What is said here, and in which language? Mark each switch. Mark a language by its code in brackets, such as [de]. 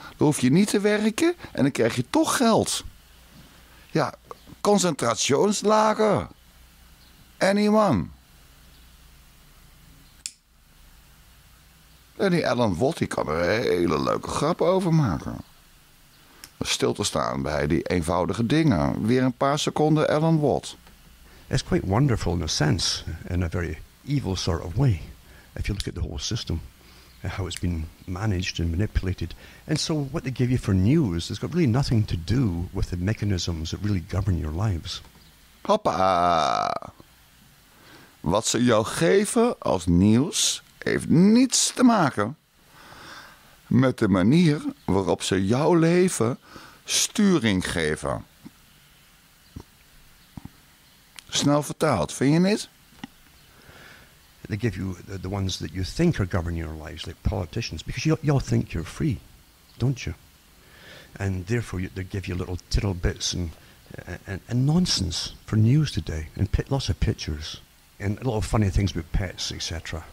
[nl] Dan hoef je niet te werken en dan krijg je toch geld. Ja, concentrationslager. [en] Anyone? [nl] En die Alan Watt die kan er hele leuke grappen over maken. Stil te staan bij die eenvoudige dingen. Weer een paar seconden Alan Watt. [en] It's quite wonderful in a sense, in a very evil sort of way. If you look at the whole system, how it's been managed and manipulated. And so what they give you for news has got really nothing to do with the mechanisms that really govern your lives. [nl] Hoppa! Wat ze jou geven als nieuws heeft niets te maken met de manier waarop ze jouw leven sturing geven. Snel vertaald, vind je niet? [en] They give you the ones that you think are governing your lives, like politicians, because you all think you're free, don't you? And therefore they give you little tittle bits and nonsense for news today, and lots of pictures, and a lot of funny things about pets, etc.